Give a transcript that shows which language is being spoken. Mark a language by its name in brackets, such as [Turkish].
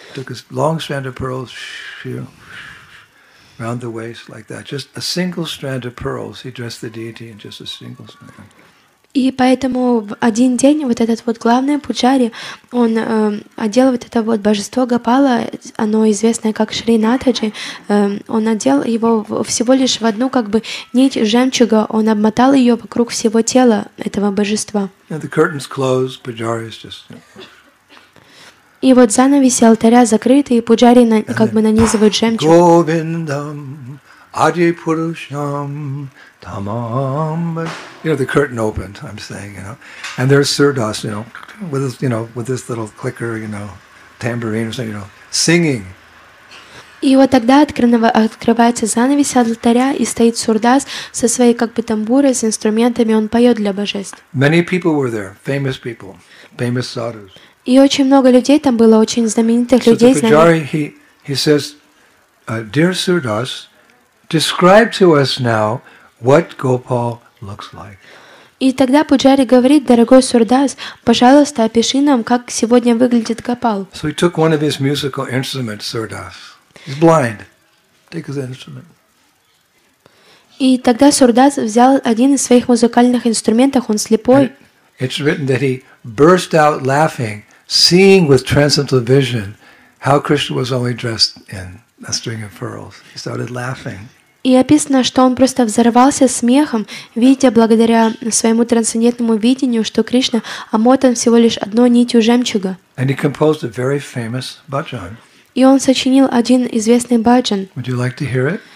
[English] Took a long strand of pearls, round the waist like that. Just a single strand of pearls. He dressed the deity in just a single strand. [Russian] И поэтому в один день вот этот вот главный пуджари, он одел вот это вот божество Гопала, оно известное как Шринатхаджи, он одел его всего лишь в одну как бы нить жемчуга, он обмотал ее вокруг всего тела этого божества. [English] And the curtains closed, pujari is just... [Russian] И вот занавеси алтаря закрыты, и пуджари на, как бы нанизывают жемчуг. [Sanskrit] Говиндам, ади пурушам. [English] Tamam, you know, the curtain opened, I'm saying, you know, and there's Сурдас, you know, with this little clicker, you know, tambourine or something, you know, singing. [Russian] И вот тогда открывается занавес алтаря, и стоит Сурдас со своей как бы тамбурой, с инструментами, он поет для божеств. [English] Many people were there, famous people, famous sadhus. [Russian] И очень много людей там было, очень знаменитых людей. [English] So the pujari, he says, dear Сурдас, describe to us now what Gopal looks like. [Russian] И тогда пуджари говорит: "Дорогой Сурдас, пожалуйста, опиши нам, как сегодня выглядит Гопал." [English] So he took one of his musical instruments, Сурдас. He's blind. Take his instrument. [Russian] И тогда Сурдас взял один из своих музыкальных инструментов, он слепой. [English] And it's written that he burst out laughing, seeing with transcendental vision how Krishna was only dressed in a string of pearls. He started laughing. [Russian] И описано, что он просто взорвался смехом, видя благодаря своему трансцендентному видению, что Кришна омотан всего лишь одной нитью жемчуга. [English] And he composed a very famous bhajan. [Russian] И он сочинил один известный бхаджан. [English] Would you like to hear it?